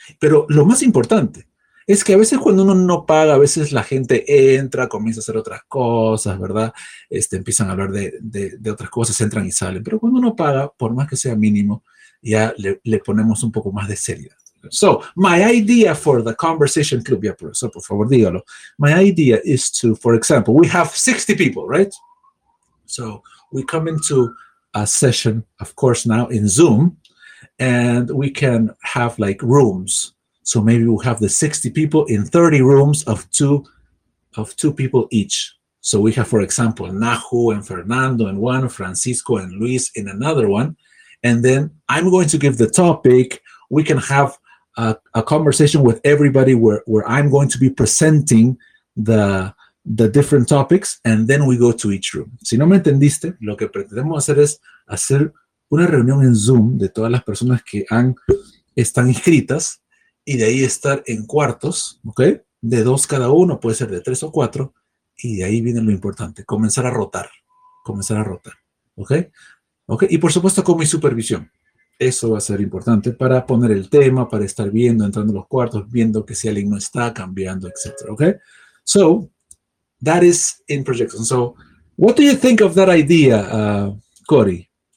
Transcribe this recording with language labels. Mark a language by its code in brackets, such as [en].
[es] Pero lo más importante es que a veces cuando uno no paga, a veces la gente entra, comienza a hacer otras cosas, ¿verdad? Empiezan a hablar de otras cosas, entran y salen. Pero cuando uno paga, por más que sea mínimo, ya le ponemos un poco más de seriedad. [en] So, my idea for the conversation club, [es] ya profesor, por favor, dígalo. [en] My idea is to, for example, we have 60 people, right? So, we come into a session, of course, now in Zoom, and we can have like rooms. So maybe we'll have the 60 people in 30 rooms of two people each. So we have, for example, Nahu and Fernando in one, Francisco and Luis in another one. And then I'm going to give the topic. We can have a conversation with everybody where I'm going to be presenting the different topics, and then we go to each room. [es] Si no me entendiste, lo que pretendemos hacer es hacer una reunión en Zoom de todas las personas que están inscritas, y de ahí estar en cuartos, ¿ok? De dos cada uno, puede ser de tres o cuatro, y de ahí viene lo importante, comenzar a rotar, ¿ok? ¿Ok? Y por supuesto con mi supervisión, eso va a ser importante para poner el tema, para estar viendo, entrando a los cuartos, viendo que si alguien no está cambiando, etc. [en] ¿Ok? So, that is in projection. So, what do you think of that idea, Cory?